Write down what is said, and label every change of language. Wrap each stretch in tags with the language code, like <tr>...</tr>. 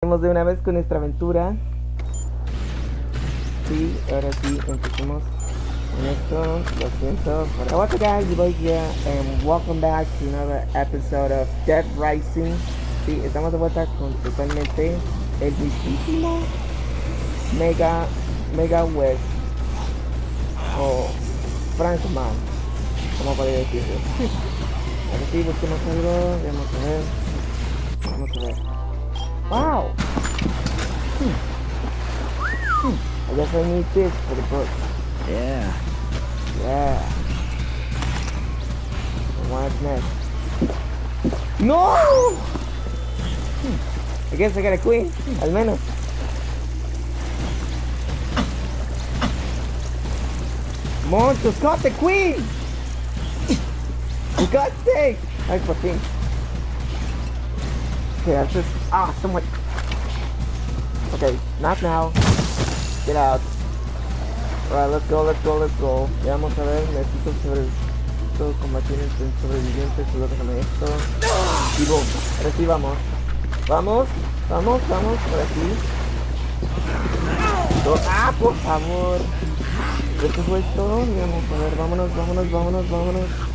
<es>empecemos de una vez con nuestra aventura. Sí, ahora sí, empecemos con esto. Lo siento. Hola,</es> <en>what's up, guys?</en> <es>Yo soy</es> <en>Boy here, and welcome back to another episode of Dead Rising.</en> <es>Sí, estamos de vuelta con totalmente el mismísimo Mega West. O Frankman, como podría decirlo. Ahora sí, busquemos algo. Vamos a ver. Vamos a ver. ¡Wow!</es> <en>I guess I need this for the book. Yeah. Yeah. What's next? No! I guess I got a queen,</en> <es>al menos.</es> <en>Monstruos, got the queen! God's sake!</en> <es>Ay, por fin.</es> <en>Okay, that's just... Ah, somewhat... Okay, not now. Get out. Alright, let's go, let's go, let's go.</en> <es>Ya vamos a ver, necesito sobre... Necesito combatir el sobreviviente, solo déjame esto. Y boom, ahora sí vamos. Vamos, vamos, vamos, por aquí. Ah, por favor. Esto fue todo, vamos a ver, vámonos, vámonos, vámonos, vámonos.</es>